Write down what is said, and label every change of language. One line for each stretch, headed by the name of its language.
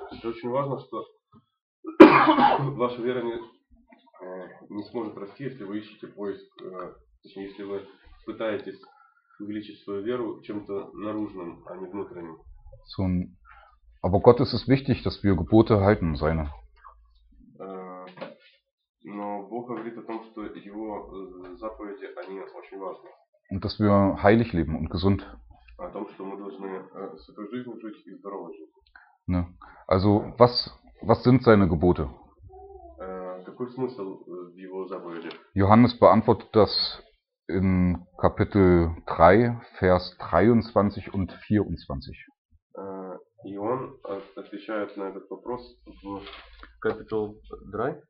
Russian: Это очень важно, что ваша вера не сможет расти, если вы ищете поиск, точнее, если вы пытаетесь увеличить свою веру чем-то наружным, а не внутренним.
German: So, aber Gott ist es wichtig, dass wir Gebote halten, seine.
Russian: Но Бог говорит о том, что его заповеди, они очень важны.
German: Und dass wir heilig leben und gesund.
Russian: О том, что мы должны святой жизнью жить и здоровой жизнью.
German: Ne? Also, was sind seine Gebote?
Russian: Какой смысл в его заповеди?
German: Johannes beantwortet das in Kapitel 3, Vers 23 und 24.
Russian: Иоанн отвечает на этот вопрос в Kapitel 3.